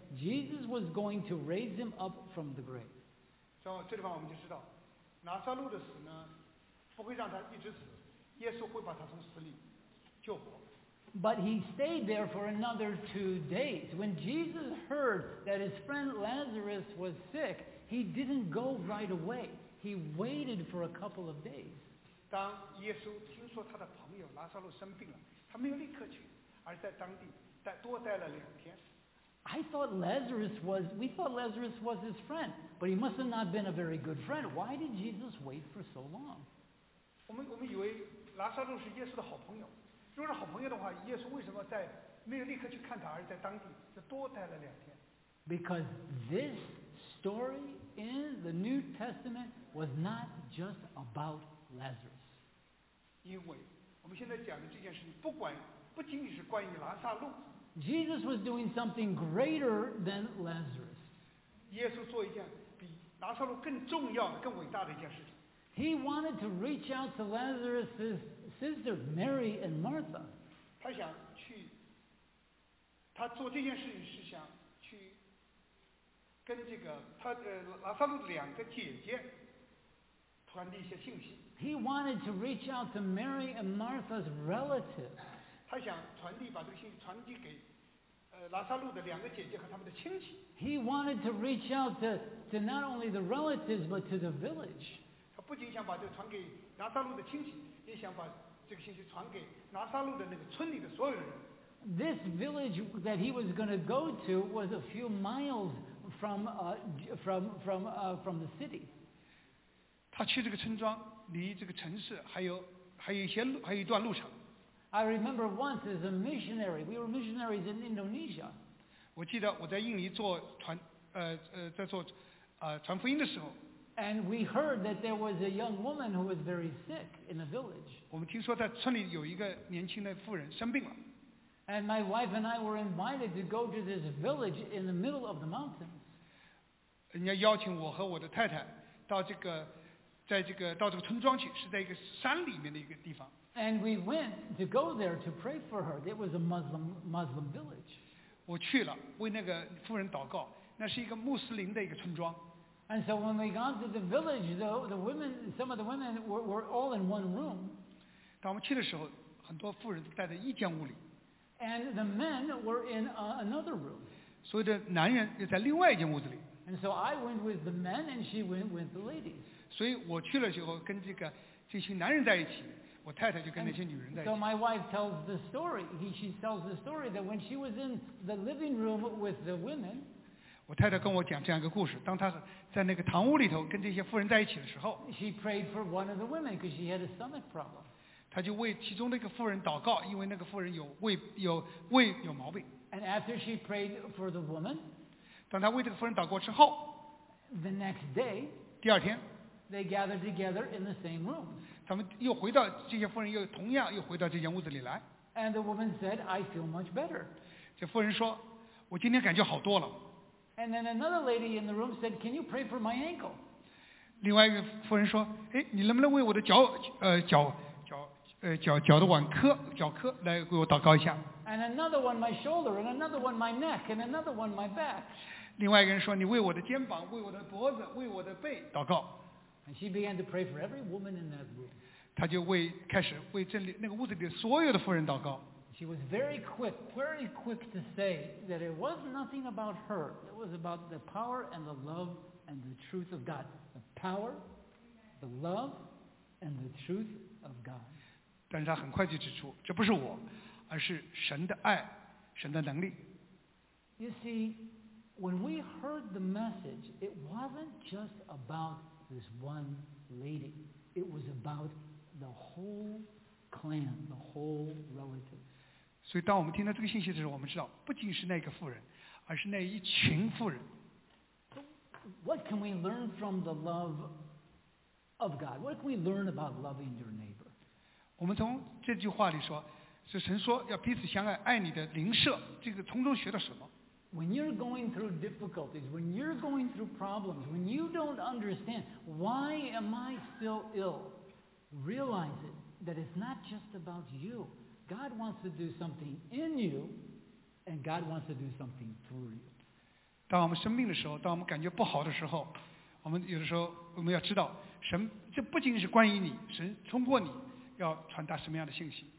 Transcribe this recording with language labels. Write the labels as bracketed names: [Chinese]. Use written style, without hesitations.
[English] Jesus was going to raise him up from the grave. [Chinese] So 这地方我们就知道，拉撒路的死呢，不会让他一直死，耶稣会把他从死里救活。 [English] But he stayed there for another 2 days. When Jesus heard that his friend Lazarus was sick, he didn't go right away. He waited for a couple of days. [Chinese] 当耶稣听说他的朋友拉撒路生病了，他没有立刻去，而在当地多待了两天。 [English] We thought Lazarus was his friend, but he must have not been a very good friend. Why did Jesus wait for so long? [Chinese] 我们以为拉撒路是耶稣的好朋友。如果是好朋友的话，耶稣为什么在没有立刻去看他，而在当地就多待了两天？ [English] Because this story in the New Testament was not just about Lazarus. [Chinese] 因为我们现在讲的这件事情，不仅仅是关于拉撒路。 [English] Jesus was doing something greater than Lazarus. [Chinese] 耶稣做一件比拉撒路更重要的、更伟大的一件事情。 [English] He wanted to reach out to Lazarus's sister Mary and Martha. [Chinese] 他想去，他做这件事情是想去跟这个他拉撒路的两个姐姐传递一些信息。 [English] He wanted to reach out to Mary and Martha's relatives. [Chinese] 他想传递把这个信息传递给拉撒路的两个姐姐和他们的亲戚。 [English] He wanted to reach out to not only the relatives but to the village. [Chinese] 他不仅想把这个传给拉撒路的亲戚，也想把这个信息传给拿撒路的那个村里的所有人。 [English] This village that he was going to go to was a few miles from the city. [Chinese] 他去这个村庄，离这个城市还有一些路，还有一段路程。 [English] I remember once as a missionary, we were missionaries in Indonesia. [Chinese] 我记得我在印尼做传，在做，传福音的时候。 [English] And we heard that there was a young woman who was very sick in the village. [Chinese] 我们听说在村里有一个年轻的妇人生病了。 [English] And my wife and I were invited to go to this village in the middle of the mountains. [Chinese] 人家邀请我和我的太太到这个，在这个到这个村庄去，是在一个山里面的一个地方。 [English] And we went to go there to pray for her. It was a Muslim village. [Chinese] 我去了，为那个妇人祷告。那是一个穆斯林的一个村庄。 [English] And so when we got to the village, though, the women, some of the women were all in one room. [Chinese] 当我们去的时候，很多妇人待在一间屋里。 [English] And the men were in another room. [Chinese] 所以的男人又在另外一间屋子里。 [English] And so I went with the men, and she went with the ladies. [Chinese] 所以我去了之后，跟这群男人在一起。我太太就跟那些女人在一起。 [English] So my wife tells the story. She tells the story that when she was in the living room with the women, [Chinese] 我太太跟我讲这样一个故事。当她在那个堂屋里头跟这些妇人在一起的时候， [English] she prayed for one of the women because she had a stomach problem. [Chinese] 她就为其中那个妇人祷告，因为那个妇人有胃有毛病。 [English] And after she prayed for the woman, [Chinese] 当她为这个妇人祷告之后， [English] the next day, [Chinese] 第二天， [English] they gathered together in the same room. [Chinese] 他们又回到这些妇人又同样又回到这间屋子里来。 [English] And the woman said, "I feel much better." [Chinese] 这妇人说，我今天感觉好多了。 [English] And then another lady in the room said, "Can you pray for my ankle?" [Chinese] 另外一个妇人说，哎，你能不能为我的脚的腕科来为我祷告一下 [English] ？And another one my shoulder, and another one my neck, and another one my back. [Chinese] 另外一个人说，你为我的肩膀、为我的脖子、为我的背祷告。 [English] And she began to pray for every woman in that room. [Chinese] 她就开始为这里那个屋子里所有的妇人祷告。 [English] She was very quick to say that it was nothing about her. It was about the power and the love and the truth of God. The power, the love, and the truth of God. [Chinese] 但是她很快就指出，这不是我，而是神的爱，神的能力。 [English] You see, when we heard the message, it wasn't just about this one lady. It was about the whole clan, the whole relative. [Chinese] 所以当我们听到这个信息的时候，我们知道不仅是那个妇人，而是那一群妇人。 [English] What can we learn from the love of God? What can we learn about loving your neighbor? [Chinese] 我们从这句话里说，是神说要彼此相爱，爱你的邻舍，这个从中学到什么？ [English] When you're going through difficulties, when you're going through problems, when you don't understand, why am I still ill? Realize it, that it's not just about you. God wants to do something in you, and God wants to do something through you. [Chinese] 当我们生病的时候，当我们感觉不好的时候，我们有的时候我们要知道，神，这不仅是关于你，神通过你要传达什么样的信息。